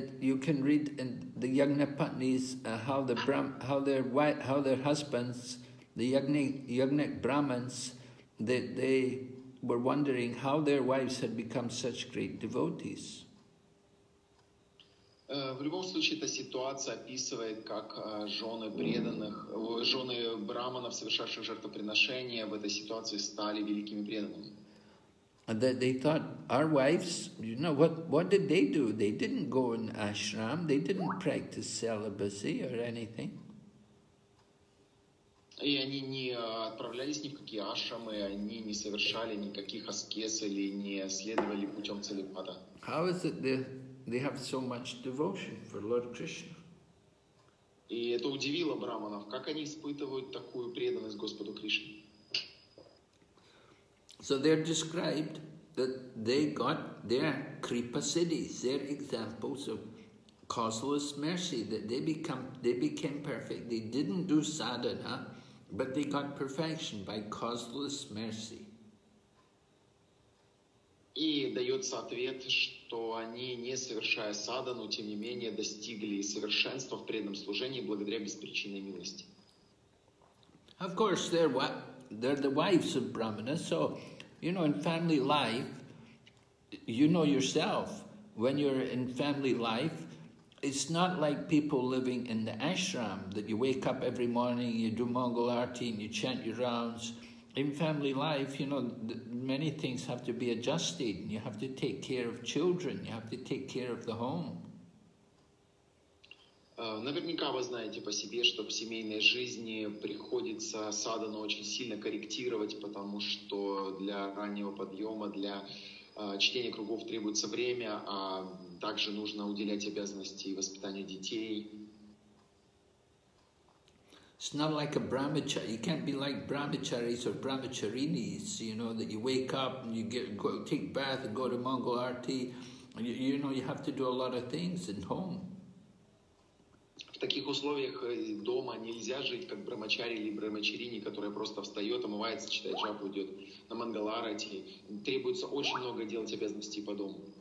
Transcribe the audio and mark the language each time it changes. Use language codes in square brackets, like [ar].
[en] You can read in the Yajna Patnis how their husbands, the yajnik Brahmins, they were wondering how their wives had become such great devotees. [ru] В любом случае, эта ситуация описывает, как жены преданных, жены браманов, совершавших жертвоприношения, в этой ситуации стали великими преданными. [en] And that they thought, our wives, you know, what did they do? They didn't go in ashram, they didn't practice celibacy or anything. [ru] И они не отправлялись ни в какие ашрамы, они не совершали никаких аскез или не следовали путем целибата. [en] How is it they have so much devotion for Lord Krishna? [ru] И это удивило браманов, как они испытывают такую преданность Господу Кришне. [en] So they're described that they got their kripa siddhis, their examples of causeless mercy, that they became perfect. They didn't do sadhana, but they got perfection by causeless mercy. [ru] И дается ответ, что они, не совершая садхану, тем не менее достигли совершенства в преданном служении благодаря беспричинной милости. [en] Of course, they're the wives of Brahmana, so you know, in family life, you know yourself, when you're in family life, it's not like people living in the ashram, that you wake up every morning, you do Mangal Arati, and you chant your rounds. In family life, you know, many things have to be adjusted, and you have to take care of children, you have to take care of the home. [ru] Наверняка вы знаете по себе, что в семейной жизни приходится садхану очень сильно корректировать, потому что для раннего подъема, для чтения кругов требуется время, а также нужно уделять обязанности и воспитанию детей. [en] It's not like a brahmachari. You can't be like brahmacharis or brahmacharinis, you know, that you wake up and you take bath and go to Mangal Arati. You know, you have to do a lot of things at home. [ru] В таких условиях дома нельзя жить, как брамачари или брамачарини, которая просто встает, омывается, читает джапу, идет на мангаларати. Требуется очень много делать обязанностей по дому.